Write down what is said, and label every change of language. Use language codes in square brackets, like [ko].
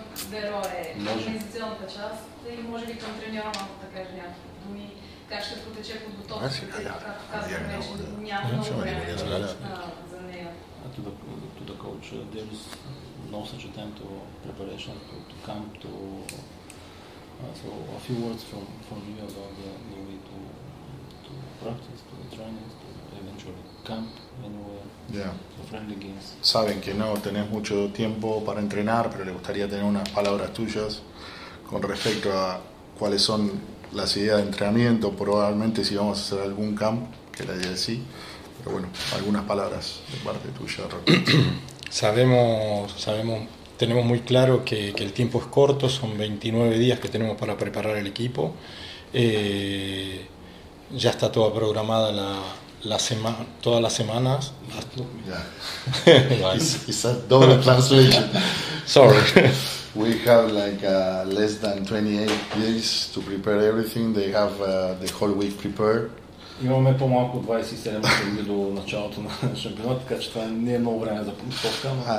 [bg] Берое, организационната част и може би към тренировъмата, кажа някакви думи, как ще протече подготовката, тъй както казвам, няма много време за нея. [en] To the coach, there is no such attempt to preparation to come to so a few words from you about the way to practice, to the training, to eventually camp anywhere. Yeah. [es] Saben que no tenés mucho tiempo para entrenar, pero le gustaría tener unas palabras tuyas con respecto a cuáles son las ideas de entrenamiento, probablemente si vamos a hacer algún camp, que la idea es sí, pero bueno, algunas palabras de parte tuya. Sabemos, tenemos muy claro que el tiempo es corto, son 29 días que tenemos para preparar el equipo, ya está toda programada todas las semanas. [en] It's a double translation. Sorry. We have like less than 28 days to prepare everything. They have the whole week prepared. [bg] Имаме по-малко 27 дни до началото на шампионата, така че това не е много време за подготовка.